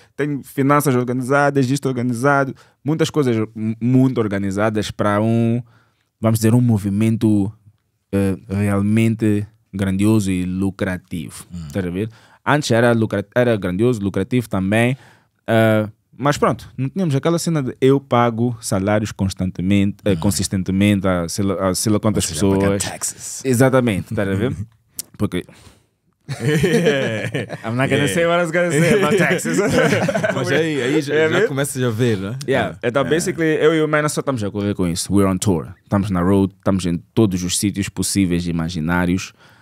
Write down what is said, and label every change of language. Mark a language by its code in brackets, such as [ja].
[pt] Tenho finanças organizadas, isto organizado. Muitas coisas muito organizadas para um, vamos dizer, um movimento realmente grandioso e lucrativo. Está a ver? Antes era grandioso, lucrativo também. Mas pronto, não tínhamos aquela cena de eu pago salários constantemente, consistentemente a sei lá quantas pessoas. Exatamente, estás a ver? Porque. [en] I'm not gonna say what I was gonna say about taxes. [pt] Mas aí já começas a ver, né? [en] Yeah. [pt] Então, basically, eu e o Mena só estamos a correr com isso. [en] We're on tour. [pt] Estamos na road, estamos em todos os sítios possíveis e imaginários.